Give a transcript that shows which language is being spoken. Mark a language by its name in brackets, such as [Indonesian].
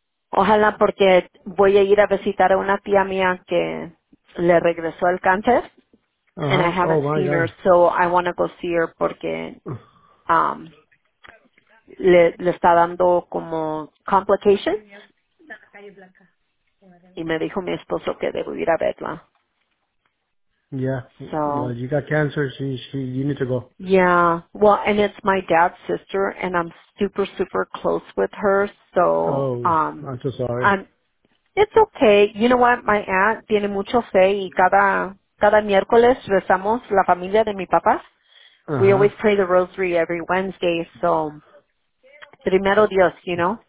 [Spanish] Ojalá, porque voy a ir a visitar a una tía mía que le regresó el cáncer. [English] And I haven't Oh my seen her, God. so I want to go see her [Spanish] porque le está dando como [English] complications. [Spanish] Y me dijo mi esposo que debo ir a verla. [English] Yeah, well, So, you got cancer, so you need to go. yeah, well, and it's my dad's sister, and I'm super, super close with her, so Oh, I'm so sorry. it's okay. You know what? My aunt [Spanish] tiene mucho fe y cada miércoles rezamos la familia de mi papá. [English] We always pray the rosary every Wednesday, so [Spanish] primero Dios, [English] you know?